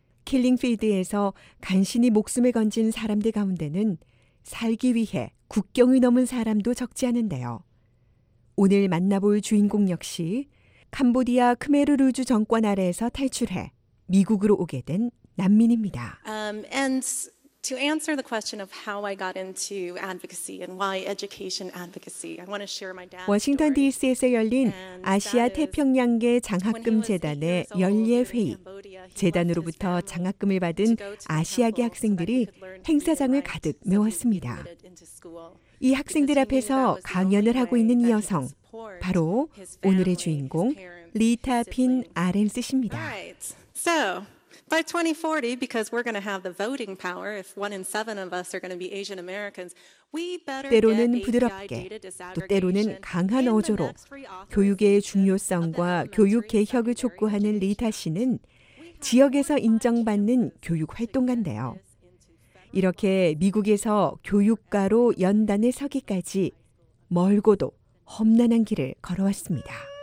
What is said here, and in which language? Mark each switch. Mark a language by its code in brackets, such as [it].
[ko] 킬링필드에서 간신히 목숨을 건진 사람들 가운데는 살기 위해 국경을 넘은 사람도 적지 않은데요. 오늘 만나볼 주인공 역시 캄보디아 크메르 루주 정권 아래에서 탈출해 미국으로 오게 된 난민입니다. [en] To answer the question of how I got into advocacy and why education advocacy, I want to share my dad's. [ko] 워싱턴 D.C.에서 열린 아시아 태평양계 장학금 재단의 연례 회의. 재단으로부터 장학금을 받은 아시아계 학생들이 행사장을 가득 메웠습니다. 이 학생들 앞에서 강연을 하고 있는 이 여성, 바로 오늘의 주인공 리타 핀 아렌스 씨입니다. [en] So. By 2040, because we're going to have the voting power, if one in seven of us are going to be Asian Americans, we better. [ko] 때로는 부드럽게, 또 때로는 강한 어조로 교육의 중요성과 교육 개혁을 촉구하는 리타 씨는 지역에서 인정받는 교육 활동가인데요. 이렇게 미국에서 교육가로 연단을 서기까지 멀고도 험난한 길을 걸어왔습니다.